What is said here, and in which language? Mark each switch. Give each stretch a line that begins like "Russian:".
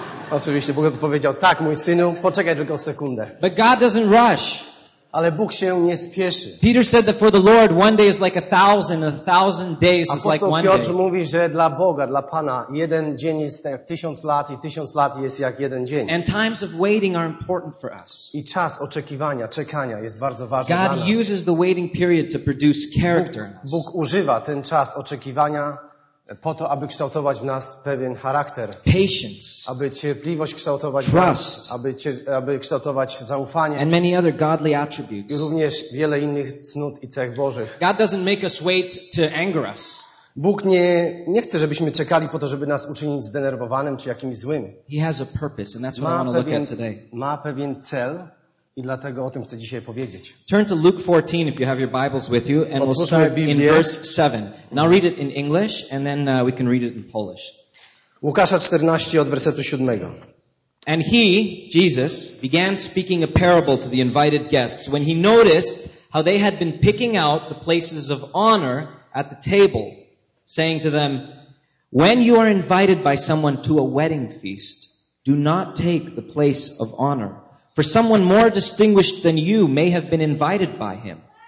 Polish: Oczywiście, Bóg odpowiedział, tak, mój synu, poczekaj tylko sekundę.
English: But God doesn't rush.
Polish: Ale Bóg się nie spieszy.
English: Peter said that for the Lord one day is like a thousand, and a thousand days is like one day.
Polish: Apostoł Piotr mówi, że dla Boga, dla Pana, jeden dzień jest jak tysiąc lat i tysiąc lat jest jak jeden dzień.
English: And times of waiting are important for us.
Polish: I czas oczekiwania, czekania jest bardzo ważny
English: God
Polish: dla nas.
English: God uses the waiting period to produce character in us.
Polish: Bóg używa ten czas oczekiwania po to, aby kształtować w nas pewien charakter.
English: Patience.
Polish: Aby cierpliwość kształtować w nas. Aby kształtować zaufanie.
English: And many other godly attributes.
Polish: I również wiele innych cnót i cech Bożych.
English: God doesn't make us wait to anger us.
Polish: Bóg nie chce, żebyśmy czekali po to, żeby nas uczynić zdenerwowanym czy jakimś złym.
English: He has a purpose, and that's what I want to look at today.
Polish: Ma pewien cel i dlatego o tym chcę dzisiaj powiedzieć.
English: Turn to Luke 14 if you have your Bibles with you and we'll start in verse 7. And I'll read it in English and then we can read it in Polish.
Polish: Łukasza 14 od wersetu 7.
English: And he, Jesus, began speaking a parable to the invited guests when he noticed how they had been picking out the places of honor at the table, saying to them, "When you are invited by someone to a wedding feast, do not take the place of honor, for someone more distinguished than you may have been invited by him.